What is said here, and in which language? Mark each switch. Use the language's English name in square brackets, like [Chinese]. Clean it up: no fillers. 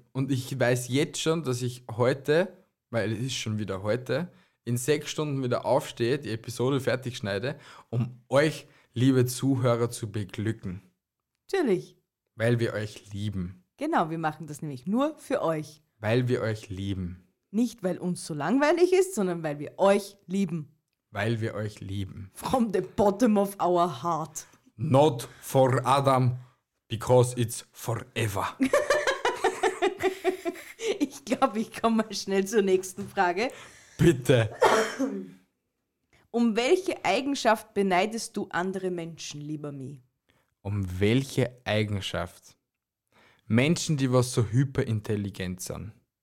[German] Und ich weiß jetzt schon, dass ich heute, weil es ist schon wieder heute, in 6 Stunden wieder aufstehe, die Episode fertig schneide, um euch, liebe Zuhörer, zu beglücken. Natürlich. Weil wir euch lieben. Genau, wir machen das nämlich nur für euch. Weil wir euch lieben. Nicht, weil uns so langweilig ist, sondern weil wir euch lieben. Weil wir euch lieben. [English] From the bottom of our heart. Not for Adam, because it's forever. [German] Ich glaube, ich komme mal schnell zur nächsten Frage. Bitte. Um welche Eigenschaft beneidest du andere Menschen, lieber Mi? Um welche Eigenschaft? Menschen, die was so hyperintelligent sind.